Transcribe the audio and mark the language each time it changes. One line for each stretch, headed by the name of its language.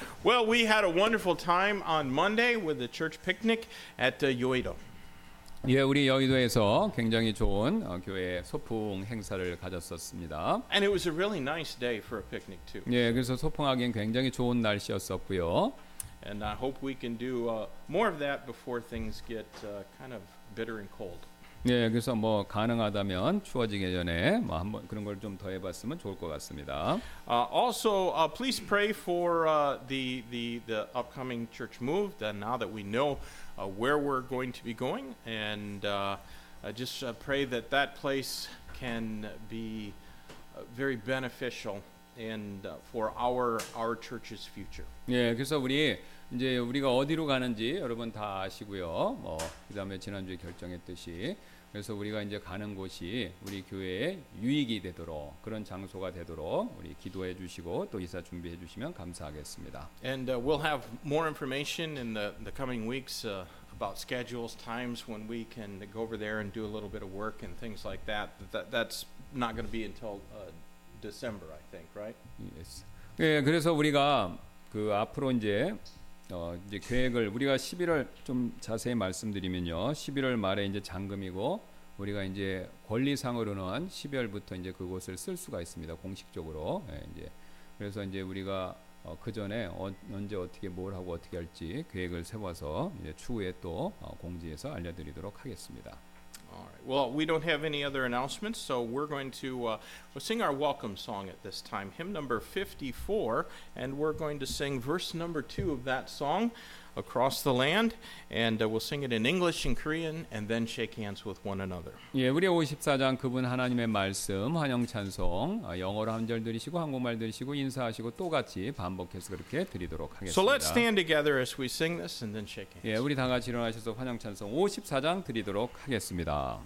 English: Well, we had a wonderful time on Monday with the church picnic at Yoido.
Korean: 예, 우리 여의도에서 굉장히 좋은 교회 소풍 행사를 가졌었습니다.
English: And it was a really nice day for a picnic too.
Korean: 예, 그래서 소풍하기엔 굉장히 좋은 날씨였었고요.
English: And I hope we can do more of that before things get kind of bitter and cold.
Korean: 예, 그래서 뭐 가능하다면 추워지기 전에 뭐 한번 그런 걸 좀 더 해봤으면 좋을 것 같습니다.
English: Also, please pray for the upcoming church move. And now that we know where we're going to be going, and just pray that that place can be very beneficial and for our church's future.
Korean: 예, 그래서 우리 이제 우리가 어디로 가는지 여러분 다 아시고요. 뭐 그다음에 지난주에 결정했듯이. 그래서 우리가 이제 가는 곳이 우리 교회에 유익이 되도록 그런 장소가 되도록 우리 기도해 주시고 또 이사 준비해 주시면 감사하겠습니다.
English: And we'll have more information in the coming weeks about schedules, times when we can go over there and do a little bit of work and things like that. That's not going to be until December, I think, right? Yes.
Korean: 예, 그래서 우리가 그 앞으로 이제 이제 계획을 우리가 11월 좀 자세히 말씀드리면요. 11월 말에 이제 잔금이고 우리가 이제 권리상으로는 12월부터 이제 그곳을 쓸 수가 있습니다. 공식적으로. 예, 이제 그래서 이제 우리가 그 전에 언제 어떻게 뭘 하고 어떻게 할지 계획을 세워서 이제 추후에 또 공지해서 알려 드리도록 하겠습니다.
English: All right. Well, we don't have any other announcements, so we're going to sing our welcome song at this time, hymn number 54, and we're going to sing verse number 2 of that song, Across the Land, and we'll sing it in English and Korean, and then shake hands with one another.
Korean: 예, 우리 54장 그분 하나님의 말씀, 환영 찬송, 영어로 한 절 들으시고 한국말 들으시고 인사하시고 또 같이 반복해서 그렇게 드리도록 하겠습니다.
English: So let's stand together as we sing this, and then shake hands.
Korean: 예, 우리 다 같이 일어나셔서 환영 찬송 54장 드리도록 하겠습니다.